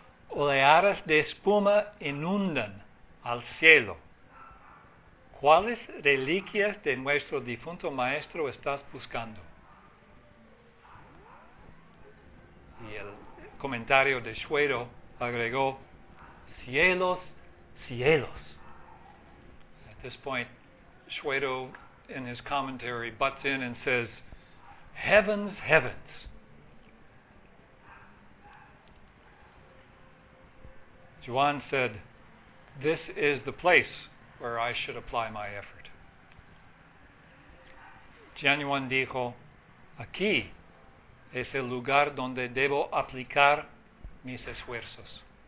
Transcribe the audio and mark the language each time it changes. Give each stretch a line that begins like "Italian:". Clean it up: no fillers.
Spanish: Oleadas de espuma inundan al cielo. ¿Cuáles reliquias de nuestro difunto maestro estás buscando?" Y el comentario de Shuero agregó, "Cielos, cielos."
English: At this point, Shuero, in his commentary, butts in and says, "Heavens, heavens." Yuan said, "This is the place where I should apply my effort."
Spanish: Jianyuan dijo, "Aquí es el lugar donde debo aplicar mis esfuerzos."